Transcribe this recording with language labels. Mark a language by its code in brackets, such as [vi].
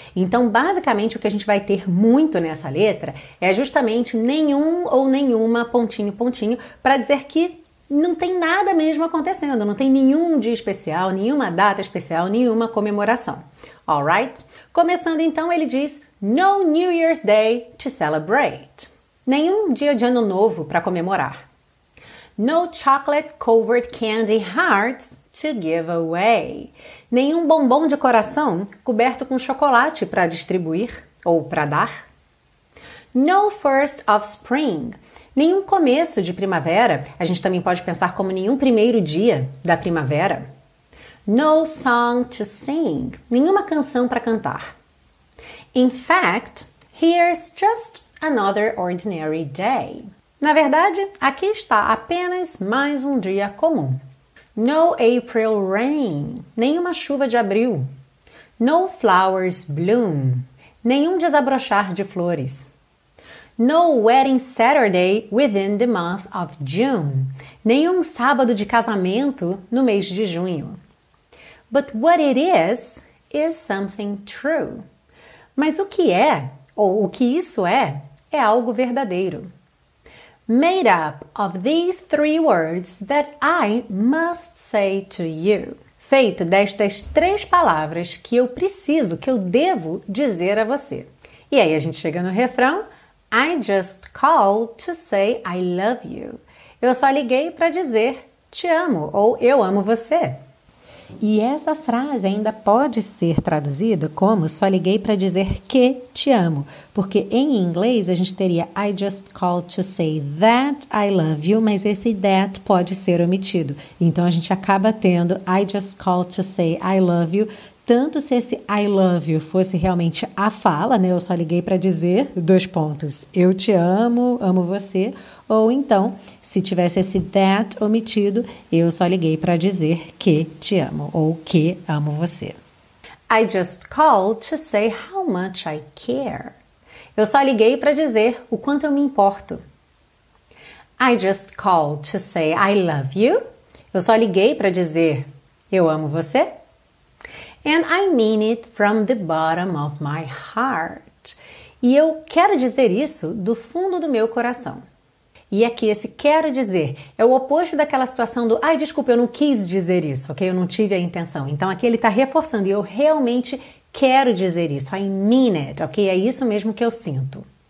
[pt] Então, basicamente, o que a gente vai ter muito nessa letra é justamente nenhum ou nenhuma pontinho, pontinho, para dizer que não tem nada mesmo acontecendo, não tem nenhum dia especial, nenhuma data especial, nenhuma comemoração. [en] Alright? [pt] Começando então, ele diz, [en] no New Year's Day to celebrate. [pt] Nenhum dia de ano novo para comemorar. [en] No chocolate-covered candy hearts to give away. [pt] Nenhum bombom de coração coberto com chocolate para distribuir ou para dar. [en] No first of spring. [pt] Nenhum começo de primavera. A gente também pode pensar como nenhum primeiro dia da primavera. [en] No song to sing. [pt] Nenhuma canção para cantar. [en] In fact, here's just another ordinary day. [pt] Na verdade, aqui está apenas mais um dia comum. [en] No April rain. [pt] Nenhuma chuva de abril. [en] No flowers bloom. [pt] Nenhum desabrochar de flores. [en] No wedding Saturday within the month of June. [pt] Nenhum sábado de casamento no mês de junho. [en] But what it is something true. [pt] Mas o que é, ou o que isso é, é algo verdadeiro. [en] Made up of these three words that I must say to you. [pt] Feito destas três palavras que eu preciso, que eu devo dizer a você. E aí a gente chega no refrão. [en] I just called to say I love you. [pt] Eu só liguei para dizer te amo ou eu amo você. E essa frase ainda pode ser traduzida como só liguei para dizer que te amo. Porque em inglês a gente teria [en] I just called to say that I love you, [pt] mas esse that pode ser omitido. Então a gente acaba tendo [en] I just called to say I love you. [pt] Tanto se esse [en] I love you [pt] fosse realmente a fala, né? Eu só liguei para dizer, dois pontos, eu te amo, amo você. Ou então, se tivesse esse that omitido, eu só liguei para dizer que te amo ou que amo você. [en] I just called to say how much I care. [pt] Eu só liguei para dizer o quanto eu me importo. [en] I just called to say I love you. [pt] Eu só liguei para dizer eu amo você. [en] And I mean it from the bottom of my heart. [pt] E eu quero dizer isso do fundo do meu coração. E aqui esse quero dizer é o oposto daquela situação do ai, desculpa, eu não quis dizer isso, ok? Eu não tive a intenção. Então aqui ele está reforçando e eu realmente quero dizer isso. [en] I mean it, [pt] ok? É isso mesmo que eu sinto.